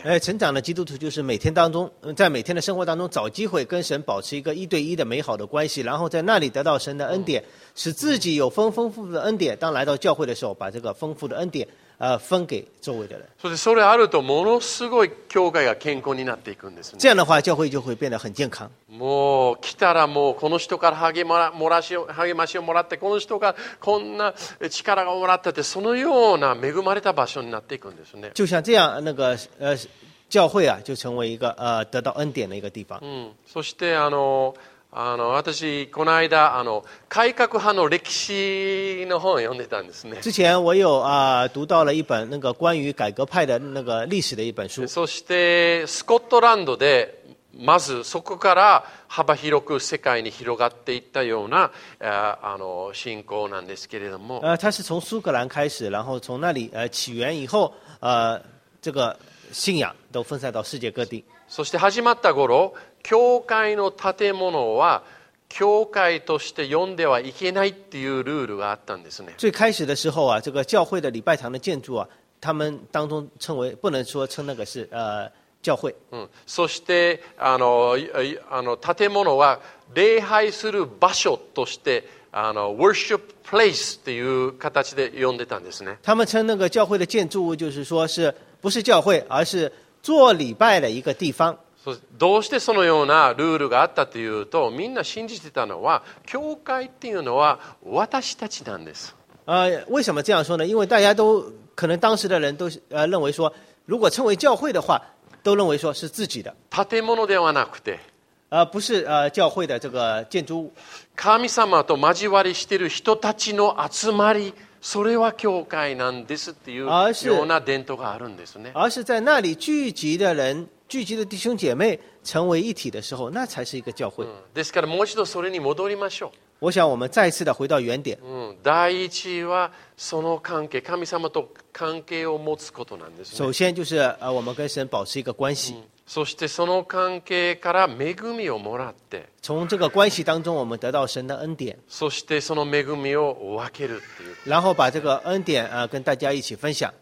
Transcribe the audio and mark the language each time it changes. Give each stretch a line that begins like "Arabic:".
Chinese: 成长的基督徒就是每天当中，在每天的生活当中找机会跟神保持一个一对一的美好的关系，然后在那里得到神的恩典，使自己有丰富的恩典，当来到教会的时候把这个丰富的恩典分给周围的人。所以
Japanese: それあるとものすごい教会が健康になっていくんですね。
Chinese: 这样的话教会就会变得很健康。
Japanese: もう来たらもうこの人から励ましをもらって、この人からこんな力をもらったって、そのような恵まれた場所になっていくんですね。
Chinese: 就像这样那个教会啊就成为一个得到恩典的一个地方。
Japanese: そしてあの私この間改革派の歴史の本を読んでたんですね。
Chinese: 之前我有读到了一本那个关于改革派的那个历史的一本书。
Japanese: そしてスコットランドでまずそこから幅広く世界に広がっていったような信仰なんですけれども。
Chinese: 他是从苏格兰开始，然后从那里起源以后，这个信仰都分散到世界各地。
Japanese: そして始まった頃、教会の建物は教会として呼んではいけないっていうルールがあったんですね。
Chinese: 最开始的时候啊，这个教会的礼拜堂的建筑啊，他们当中称为不能说称那个是教会。
Japanese: そしてあの建物は礼拝する場所として、
English: worship place
Japanese: っていう形で呼んでたんですね。
Chinese: 他们称那个教会的建筑物就是说是不是教会，而是做礼拜的一个地方。
Japanese: どうしてそのようなルールがあったというと、みんな信じてたのは教会っていうのは私たちなんです。
Chinese: 为什么这样说呢？因为大家都可能当时的人都认为说，如果称为教会的话，都认为说是自己的。
Japanese: 建物ではなくて、
Chinese: 不是教会的这个建筑物。
Japanese: 神様と交わりしている人たちの集まり。それは教会なんですっていうような伝統があるんですね。
Chinese: 而是在那里聚集的人、聚集的弟兄姐妹成为一体的时候，那才是一个教会。
Japanese: ですからもう一度それに戻りましょう。
Chinese: 我想我们再次的回到原点。
Japanese: 第一はその関係、神様と関係を持つことなんですね。
Chinese: 首先就是我们跟神保持一个关系。
Japanese: そしてその関係から恵みをもらって、
Chinese: 从这个关系当中我们得到神的恩典。
Japanese: そしてその恵みを分けるっていう。
Chinese: 然后把这个恩典跟大家一起分享。